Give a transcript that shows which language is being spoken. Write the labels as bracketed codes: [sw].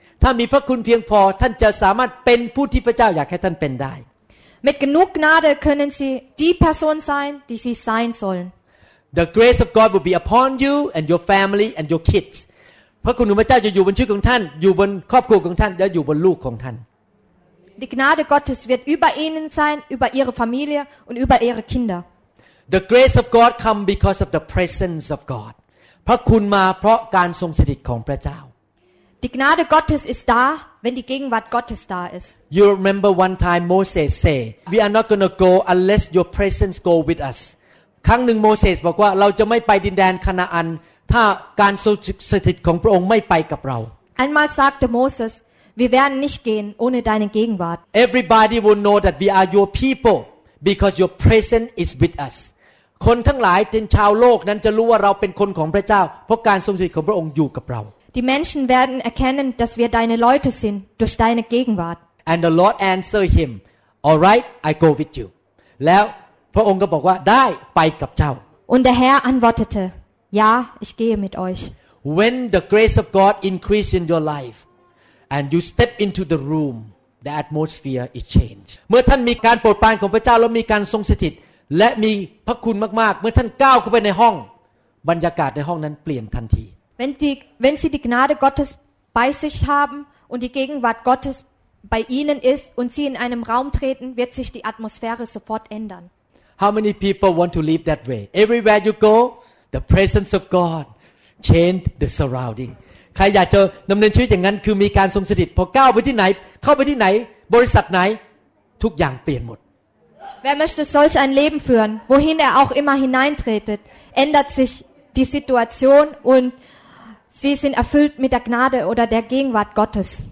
[th] ถ้ามีพระคุณเพียงพอท่านจะสามารถเป็นผู้ที่พระเจ้าอยากให้ท่านเป็นได้ [de] Mit genug Gnade können Sie die Person sein, die Sie sein sollen. [en] The grace of God will be upon you and your family and your kids. [th] พระคุณของพระเจ้าจะอยู่บนชีวิตของท่านอยู่บนครอบครัวของท่านและอยู่บนลูกของท่าน [de] Die Gnade Gottes wird über Ihnen sein, über Ihre Familie und über Ihre Kinder. [en] The grace of God comes because of the presence of God. [th] พระคุณมาเพราะการทรงสถิตของพระเจ้า [de] Die Gnade Gottes ist da, wenn die Gegenwart Gottes da ist. [en] You remember one time Moses say, "We are not going to go unless your presence go with us." [th] ครั้งหนึ่งโมเสสบอกว่าเราจะไม่ไปดินแดนคานาอันถ้าการสถิตของพระองค์ไม่ไปกับเรา [de] Einmal sagte Moses, Wir werden nicht gehen ohne deine Gegenwart. [en] Everybody will know that we are your people because your presence is with us. [th] คนทั้งหลายในชาวโลกนั้นจะรู้ว่าเราเป็นคนของพระเจ้าเพราะการทรงสถิตของพระองค์อยู่กับเรา [de] Die Menschen werden erkennen, dass wir deine Leute sind durch deine Gegenwart. [en] And the Lord answered him, "All right, I go with you." [th] แล้วพระองค์ก็บอกว่าได้ไปกับเจ้า [de] Und der Herr antwortete, "Ja, ich gehe mit euch." [en] When the grace of God increases in your life. And you step into the room, the atmosphere is changed. [th] เมื่อท่านมีการโปรดปรานของพระเจ้าแล้วมีการทรงสถิตและมีพระคุณมากๆเมื่อท่านก้าวเข้าไปในห้องบรรยากาศในห้องนั้นเปลี่ยนทันที [de] Wenn Sie die Gnade Gottes bei sich haben und die Gegenwart Gottes bei Ihnen ist und Sie in einem Raum treten, wird sich die Atmosphäre sofort ändern. [en] How many people want to live that way? Everywhere you go, the presence of God changed the surrounding. [th] ใครอยากจะดำเนินชีวิตอย่างนั้นคือมีการทรงสถิตพอก้าวไปที่ไหนเข้าไปที่ไหนบริษัทไหนทุกอย่างเปลี่ยนหมด [de] Wer möchte solch ein Leben führen wohin auch immer hineintretet ändert sich die Situation und sie sind erfüllt mit der Gnade oder der Gegenwart Gottes